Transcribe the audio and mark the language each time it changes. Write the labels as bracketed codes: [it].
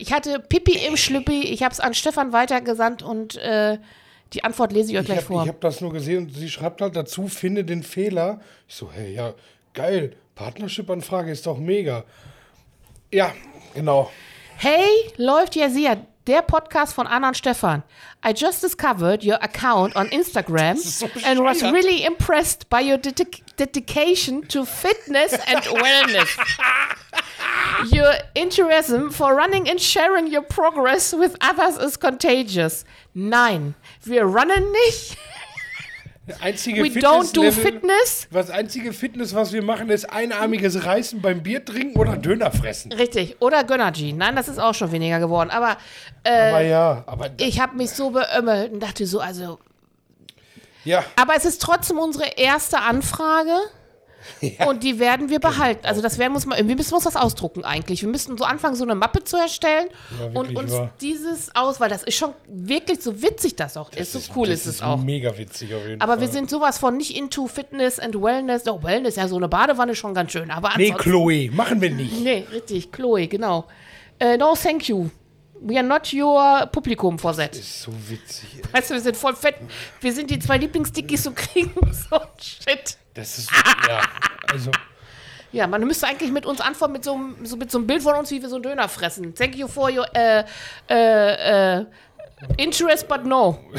[de] Ich hatte Pipi im Schlüppi. Ich habe es an Stefan weitergesandt und die Antwort lese ich euch gleich vor. Ich habe das nur gesehen und sie schreibt halt dazu, finde den Fehler. Ich so, hey, ja, geil. Partnership-Anfrage ist doch mega. Ja, genau. Hey, läuft ja sehr, der Podcast von Anna und Stefan. [en] I just discovered your account on Instagram and was really impressed by your dedication to fitness and wellness. Your enthusiasm for running and sharing your progress with others is contagious. [de] Nein, wir runnen nicht. Einzige [en] We don't do fitness. [de] Das einzige Fitness, was wir machen, ist einarmiges Reißen beim Bier trinken oder Döner fressen. Richtig. Oder Gönnergy. Nein, das ist auch schon weniger geworden. Aber, aber ich habe mich so beömmelt und dachte so, also. Ja. Aber es ist trotzdem unsere erste Anfrage. Ja. Und die werden wir behalten. Also das werden wir müssen uns das ausdrucken eigentlich. Wir müssen so anfangen, so eine Mappe zu erstellen und uns dieses aus, weil das ist schon wirklich so witzig, das auch ist. So cool ist es auch. Das ist mega witzig auf jeden Fall. Aber wir sind sowas von nicht [en] into Fitness and Wellness. [de] Doch, Wellness, ja, so eine Badewanne schon ganz schön. Aber nee, Chloe, machen wir nicht. Nee, richtig, Chloe, genau. [en] No, thank you. We are not your Publikum for that. [de] Das ist so witzig. Ey. Weißt du, wir sind voll fett. Wir sind die 2 Lieblingsdickies und kriegen so Shit. Das ist, ja, also. Ja, man müsste eigentlich mit uns antworten, mit so einem Bild von uns, wie wir so einen Döner fressen. [en] Thank you for your interest, but no.